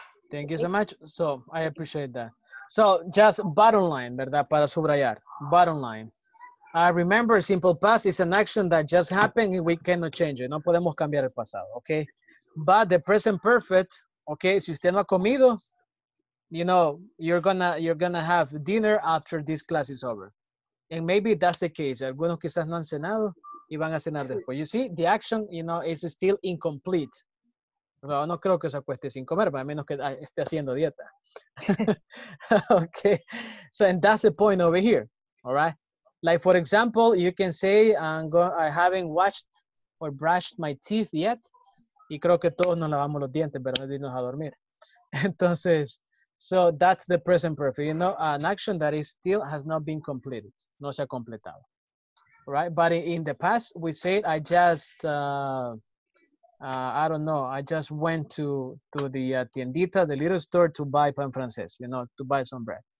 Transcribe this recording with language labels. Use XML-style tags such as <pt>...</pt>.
<en>Thank you so much. So I appreciate that. So just bottom line,</en> <es>verdad, para subrayar.</es> <en>Bottom line. Remember, simple past is an action that just happened and we cannot change it.</en> <es>No podemos cambiar el pasado,</es> <en>okay? But the present perfect, okay,</en> <es>si usted no ha comido,</es> <en>you know, you're gonna have dinner after this class is over. And maybe that's the case.</en> <es>Algunos quizás no han cenado y van a cenar después.</es> <en>You see, the action, you know, is still incomplete.</en> <es>Well, no creo que se acueste sin comer, a menos que esté haciendo dieta.</es> <en>Okay. So, and that's the point over here, all right? Like, for example, you can say, I haven't washed or brushed my teeth yet.</en> <es>Y creo que todos nos lavamos los dientes, ¿verdad? Irnos a dormir.</es> <en>Entonces, so that's the present perfect, you know, an action that is still has not been completed.</en> <es>No se ha completado.</es> <en>Right? But in the past, we said, I just, I don't know, I just went to the tiendita, the little store, to buy</en> <es>pan francés,</es> <en>you know, to buy some bread.</en>